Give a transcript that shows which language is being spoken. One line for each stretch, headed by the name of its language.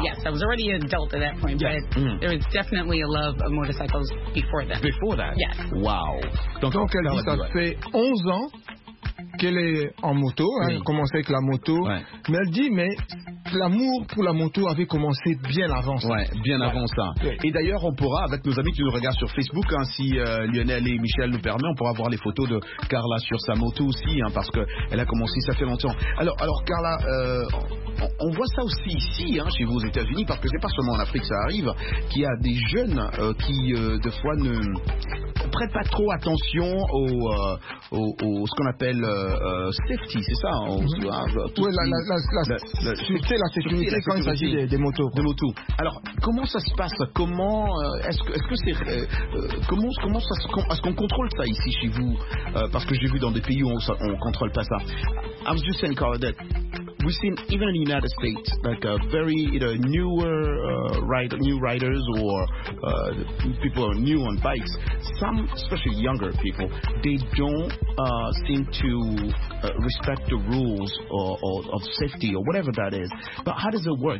English: Yes, I was already an adult at that point, yeah. There was definitely a love of motorcycles before that. Before that? Yes. Wow.
French: Donc elle dit, ça fait 11 ans qu'elle est en moto, oui. Elle a commencé avec la moto, ouais. Mais elle dit, mais l'amour pour la moto avait commencé bien avant ça. Ouais, bien avant ça. Et d'ailleurs, on pourra, avec nos amis qui nous regardent sur Facebook, hein, si Lionel et Michel nous permettent, on pourra voir les photos de Carla sur sa moto aussi, hein, parce qu'elle a commencé, ça fait longtemps. Alors Carla, on voit ça aussi ici, hein, chez vous aux États-Unis, parce que c'est pas seulement en Afrique que ça arrive, qu'il y a des jeunes qui, de fois, ne prêtent pas trop attention au, ce qu'on appelle safety, c'est ça, hein, Oui, la sécurité quand il s'agit des motos. De motos. Alors, comment ça se passe? Comment est-ce que c'est comment ça se, est-ce qu'on contrôle ça ici chez vous? Parce que j'ai vu dans des pays où on contrôle pas ça.
English: I was just saying, Carla, that we've seen even in the United States, like a very new riders or people are new on bikes. Some, especially younger people, they don't seem to respect the rules or of safety or whatever that is. But how does it work?